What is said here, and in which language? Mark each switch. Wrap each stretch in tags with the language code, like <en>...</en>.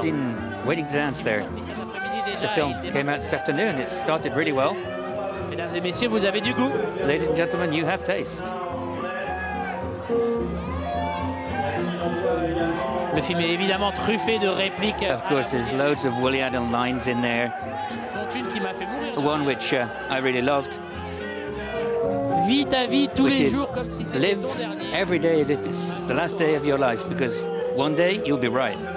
<en>Kristen, waiting to dance there. The film came out this afternoon. It started really well.</en> <fr>Mesdames et messieurs, vous avez du goût.</fr> <en>Ladies and gentlemen, you have taste.</en> <fr>Le film est évidemment truffé de répliques.</fr> <en>Of course, there's loads of Woody Allen lines in there.</en> <fr>Dont une qui m'a fait mourir.</fr> <en>One which I really loved.</en> <fr>Vis ta vie tous les jours comme si c'était ton dernier.</fr> <en>Live every day as if it's the last day of your life, because one day you'll be right.</en>